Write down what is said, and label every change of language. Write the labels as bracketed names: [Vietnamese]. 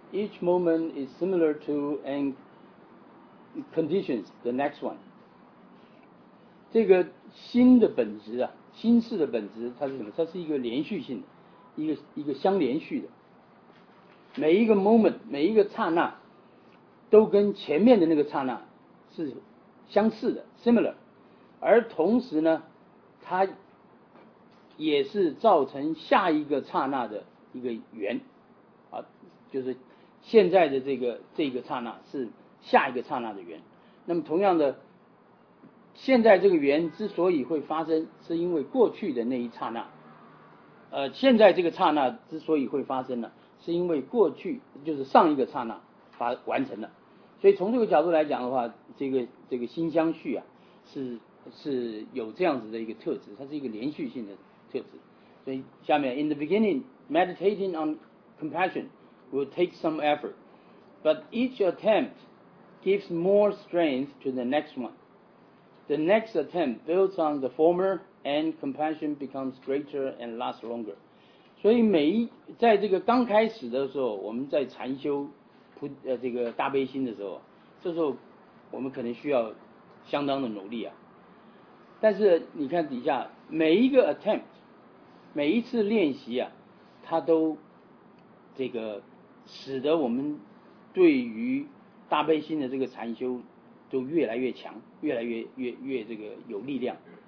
[English] Each moment is similar to and conditions the next one. [Chinese] 这个心的本质啊，心事的本质它是什么？它是一个连续性的，一个相连续的，每一个 moment 每一个刹那都跟前面的那个刹那是相似的 similar， 而同时呢它也是造成下一个刹那的一个源啊，就是现在的这个刹那是下一个刹那的源。那么同样的，现在这个源之所以会发生，是因为过去的那一刹那现在这个刹那之所以会发生呢，是因为过去就是上一个刹那完成了。所以从这个角度来讲的话，这个心相续啊是有这样子的一个特质，它是一个连续性的特质。所以下面 [English] In the beginning, meditating on compassion will take some effort, but each attempt gives more strength to the next one. The next attempt builds on the former and compassion becomes greater and lasts longer. [Chinese] 所以在这个刚开始的时候，我们在禅修这个大悲心的时候，这时候我们可能需要相当的努力啊。但是你看底下每一个 attempt， 每一次练习啊，它都这个使得我们对于大悲心的这个禅修都越来越强，越来越这个有力量。